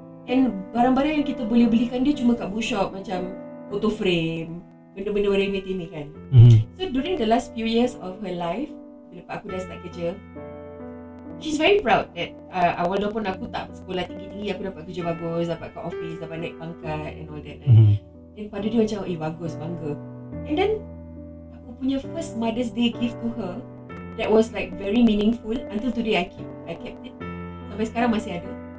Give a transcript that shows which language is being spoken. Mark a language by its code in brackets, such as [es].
[ms] And barang-barang yang kita boleh belikan dia cuma kat bookshop. Macam photo frame, benda-benda remeh-temeh kan. Mm-hmm. [en] So during the last few years of her life, [ms] lepas aku dah start kerja, [en] she's very proud that [ms] walaupun aku tak sekolah tinggi-tinggi, aku dapat kerja bagus, dapat kat office, dapat naik pangkat [en] and all that. [ms] Mm-hmm. And pada dia macam, eh bagus, bangga. [en] And then aku punya first Mother's Day gift to her, that was like very meaningful until today. I kept it [ms] sampai sekarang, masih ada.